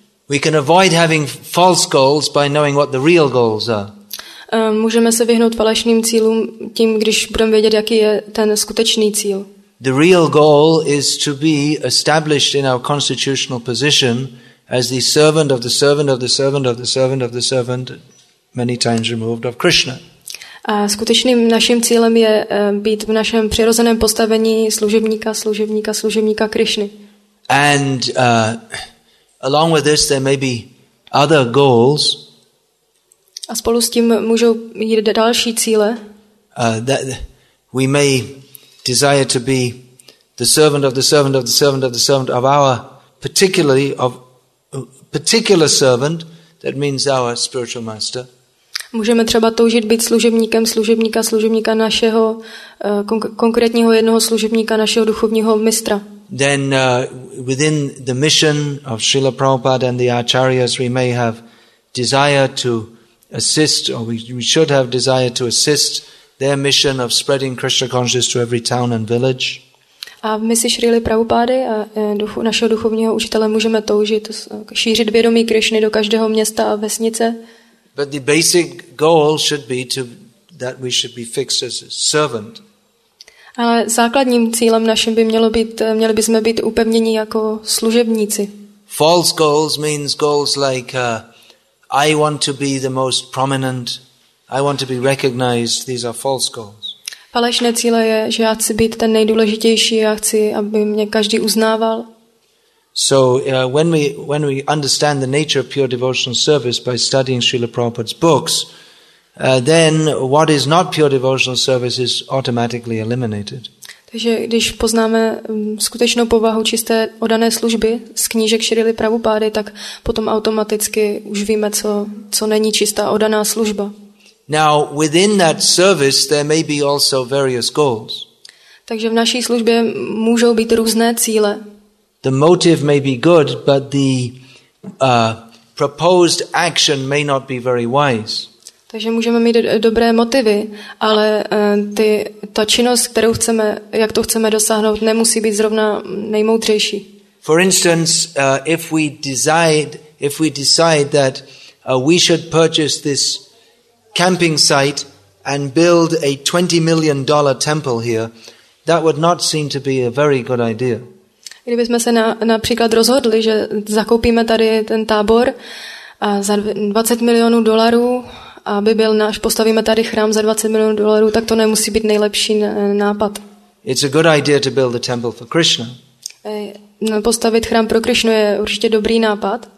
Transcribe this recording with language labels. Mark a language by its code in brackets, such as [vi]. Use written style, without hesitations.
[en] We can avoid having false goals by knowing what the real goals are. [cs] Můžeme se vyhnout falešným cílům tím, když budeme vědět, jaký je ten skutečný cíl. [en] The real goal is to be established in our constitutional position as the servant of the servant of the servant of the servant of the servant, many times removed, of Krishna. [cs] A skutečným naším cílem je být v našem přirozeném postavení služebníka, služebníka, služebníka Krišny. [en] And along with this there may be other goals. [cs] A spolu s tím můžou jít další cíle. [en] That we may desire to be the servant of the servant of the servant of the servant of our particularly of particular servant, that means our spiritual master. [cs] Můžeme třeba toužit být služebníkem služebníka služebníka našeho konkrétního jednoho služebníka našeho duchovního mistra. [en] Then within the mission of Srila Prabhupada and the acharyas we may have desire to assist or we should have desire to assist their mission of spreading Krishna consciousness to every town and village. [cs] A v misi Srily Prabhupády a našeho duchovního učitele můžeme toužit šířit vědomí Krišny do každého města a vesnice. [en] But the basic goal should be to that we should be fixed as a servant. [cs] Ale základním cílem našim by mělo být, měli bychom být upevněni jako služebníci. [en] False goals means goals like I want to be the most prominent, I want to be recognized. These are false goals. [cs] Falešné cíle je, že já chci být ten nejdůležitější, já chci, aby mě každý uznával. [en] So when we understand the nature of pure devotional service by studying Srila Prabhupada's books, then what is not pure devotional service is automatically eliminated. [cs] Takže když poznáme skutečnou povahu čisté oddané služby z knížek Šrily Prabhupády, tak potom automaticky už víme, co není čistá oddaná služba. [en] Now within that service there may be also various goals. [cs] Takže v naší službě můžou být různé cíle. [en] The motive may be good, but the proposed action may not be very wise. [cs] Takže můžeme mít dobré motivy, ale ta činnost, kterou chceme, jak to chceme dosáhnout, nemusí být zrovna nejmoudřejší. [en] For instance, if we decide that we should purchase this camping site and build a $20 million temple here, that would not seem to be a very good idea. [cs] Kdybychom se například rozhodli, že zakoupíme tady ten tábor a za [en] $20 million, [cs] aby byl náš, postavíme tady chrám za $20 million, tak to nemusí být nejlepší nápad. [en] It's a good idea to build a temple for Krishna. [cs] Postavit chrám pro Krishnu je určitě dobrý nápad.